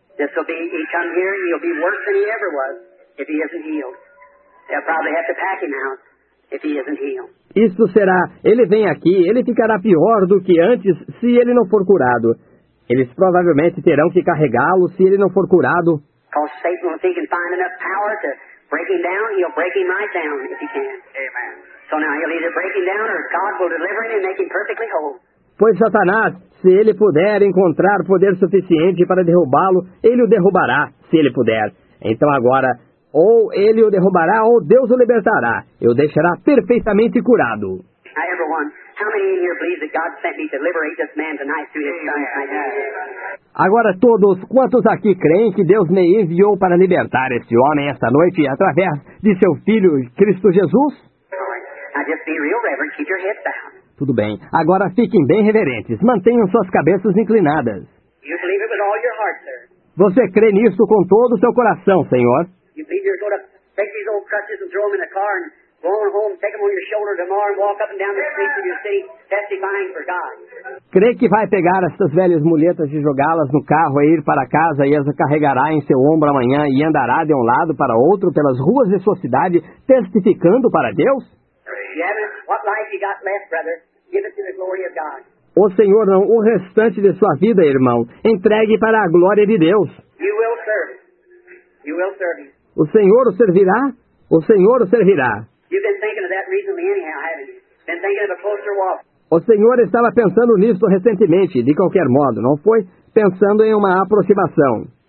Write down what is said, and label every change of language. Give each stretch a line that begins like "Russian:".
English: This will be, he come here, he'll be worse than he ever was if he isn't healed. They'll probably have to pack him out if he isn't healed.
Portuguese: Isto será, ele vem aqui, ele ficará pior do que antes se ele não for curado. Eles provavelmente terão que carregá-lo se ele não for curado.
English: Because Satan, if he can find enough power to break him down, he'll break him right down if he can. Amen. So now he'll either break him down or God will deliver him and make him perfectly whole.
Portuguese: Pois Satanás, se ele puder encontrar poder suficiente para derrubá-lo, ele o derrubará, se ele puder. Então agora, ou ele o derrubará ou Deus o libertará. E o deixará perfeitamente curado.
English: Now, everyone, how many in here believe that God sent me to liberate this man tonight through his son?
Portuguese: Agora todos, quantos aqui creem que Deus me enviou para libertar este homem esta noite através de seu filho Cristo Jesus?
English: Now just be real reverent. Keep your head down.
Portuguese: Tudo bem. Agora fiquem bem reverentes. Mantenham suas cabeças inclinadas.
English: You believe it with all your heart, sir.
Portuguese: Você crê nisso com todo o seu coração, senhor.
English: You believe you're going to take these old crutches and throw them in the car and go on home, take them on your shoulder tomorrow and walk up and down the streets of your city testifying for God.
Portuguese: Crê que vai pegar essas velhas muletas e jogá-las no carro e ir para casa e as carregará em seu ombro amanhã e andará de um lado para outro pelas ruas de sua cidade testificando para Deus?
English: What life you got left, brother? Give it to the glory of God.
Portuguese: O senhor não, o restante de sua vida, irmão, entregue para a glória de Deus.
English: You will serve. You will serve.
Portuguese: O senhor o servirá? O senhor o servirá.
English: You've been thinking of that recently anyhow, haven't you? Been thinking of a closer walk.
Portuguese: O senhor estava pensando nisso recentemente, de qualquer modo, não foi? Pensando em uma aproximação.